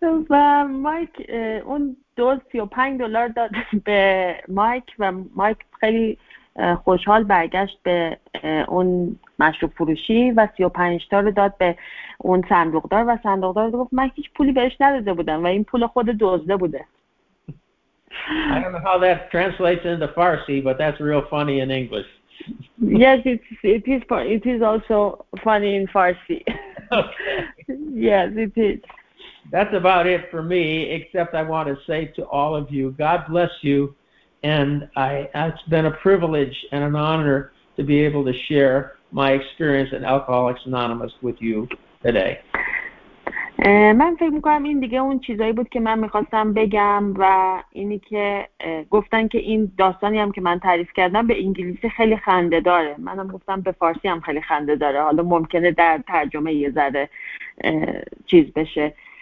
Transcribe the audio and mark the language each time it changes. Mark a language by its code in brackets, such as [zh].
[fa] و مایک اون $35 داد به مایک و مایک خیلی خوشحال برگشت به اون مشروب فروشی و $35 رو داد به اون صندوقدار و صندوقدار گفت من هیچ پولی بهش نداده بودم و این پول خود دزده بوده. [en] I don't know how that translates into Farsi, but that's real funny in English. Yes, it is also funny in Farsi. Okay. Yes, it is. That's about it for me, except I want to say to all of you, God bless you, and it's been a privilege and an honor to be able to share my experience in Alcoholics Anonymous with you today. [fa] من فکر میکنم این دیگه اون چیزایی بود که من میخواستم بگم و اینی که گفتن که این داستانی هم که من تعریف کردم به انگلیسی خیلی خنده داره. منم گفتم به فارسی هم خیلی خنده داره. حالا ممکنه در ترجمه یه ذره چیز بشه.